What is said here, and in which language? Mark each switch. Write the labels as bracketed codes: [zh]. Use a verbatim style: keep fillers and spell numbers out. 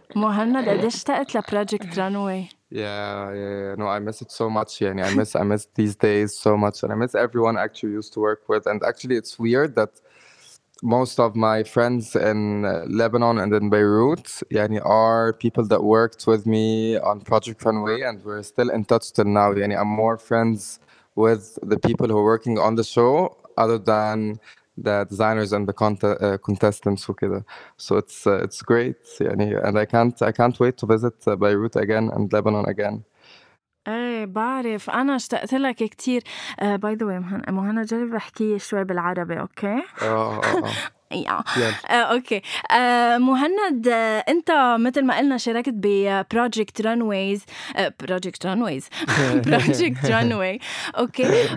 [ar] مهند قد اشتقت لبروجكت رانواي. [en] Yeah, yeah, no, I miss it so much. Yeah, I miss, I miss these days so much, and I miss everyone actually used to work with. And actually, it's weird that most of my friends in Lebanon and in Beirut يعني are people that worked with me on Project Runway, and we're still in touch till now. يعني I'm more friends with the people who are working on the show other than the designers and the cont- uh, contestants [ar] وكده. [en] So it's uh, it's great يعني, and I can't I can't wait to visit uh, Beirut again and Lebanon again. [ar] ايه بعرف، انا اشتقت لك كتير. [en] by the way [ar] مهند، جرب احكي شوي بالعربي، اوكي؟ اه اه يا اوكي. آه، مهند، آه، انت مثل ما قلنا شاركت ببروجكت رانويز، بروجكت رانويز بروجكت رانوي، اوكي.